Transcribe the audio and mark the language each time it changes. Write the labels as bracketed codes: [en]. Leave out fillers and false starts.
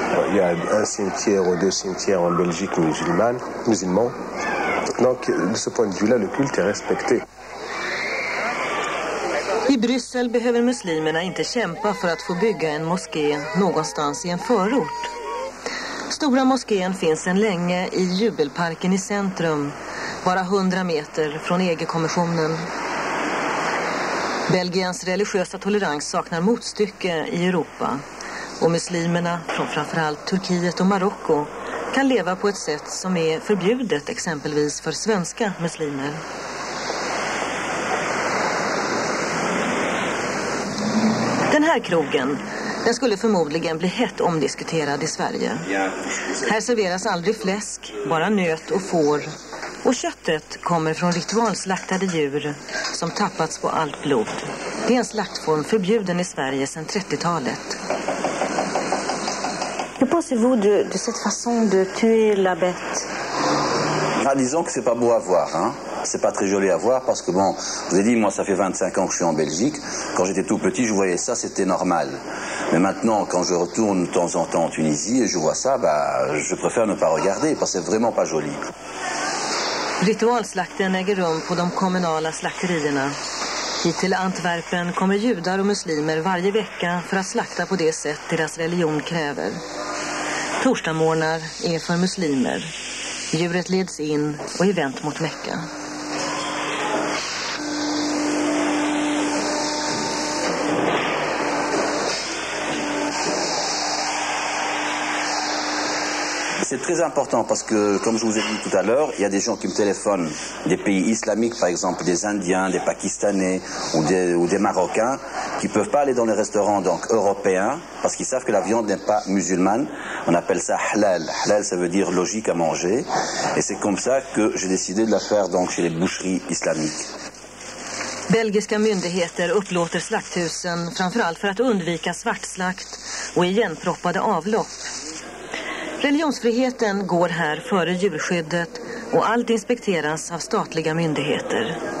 [fr] Il y a un cimetière ou deux cimetières en Belgique musulman. Donc, de ce point de vue-là, le culte est respecté. [sv] I Bryssel behöver muslimerna inte kämpa för att få bygga en moské någonstans i en förort. Stora moskén finns en länge i Jubelparken i centrum, bara 100 meter från EG-kommissionen. Belgiens religiösa tolerans saknar motstycke i Europa. Och muslimerna från framförallt Turkiet och Marocko kan leva på ett sätt som är förbjudet exempelvis för svenska muslimer. Den här krogen, den skulle förmodligen bli hett omdiskuterad i Sverige. Här serveras aldrig fläsk, bara nöt och får. Och köttet kommer från ritualslaktade djur som tappats på allt blod. Det är en slaktform förbjuden i Sverige sedan 30-talet. [fr] Que pensez-vous de cette façon de tuer la bête? Ah, disons que c'est pas beau à voir, hein. C'est pas très joli à voir parce que bon, vous avez dit, moi ça fait 25 ans que je suis en Belgique. Quand j'étais tout petit, je voyais ça, c'était normal. Mais maintenant, quand je retourne de temps en temps en Tunisie et je vois ça, bah, je préfère ne pas regarder parce que c'est vraiment pas joli. [sv] Ritualslakten äger rum på de kommunala slakterierna. Hit till Antwerpen kommer judar och muslimer varje vecka för att slakta på det sätt deras religion kräver. Torsdagmorgnar är för muslimer. Djuret leds in och är vänt mot Mekka. [fr] C'est très important parce que, comme je vous ai dit tout à l'heure, il y a des gens qui me téléphonent des pays islamiques, par exemple des Indiens, des Pakistanais ou des Marocains, qui ne peuvent pas aller dans les restaurants donc, européens parce qu'ils savent que la viande n'est pas musulmane. On appelle ça halal. Halal, ça veut dire logique à manger. Et c'est comme ça que j'ai décidé de la faire donc, chez les boucheries islamiques. [sv] Belgiska myndigheter upplåter slakthusen framförallt för att undvika svartslakt och igenproppade avlopp. Religionsfriheten går här före djurskyddet och allt inspekteras av statliga myndigheter.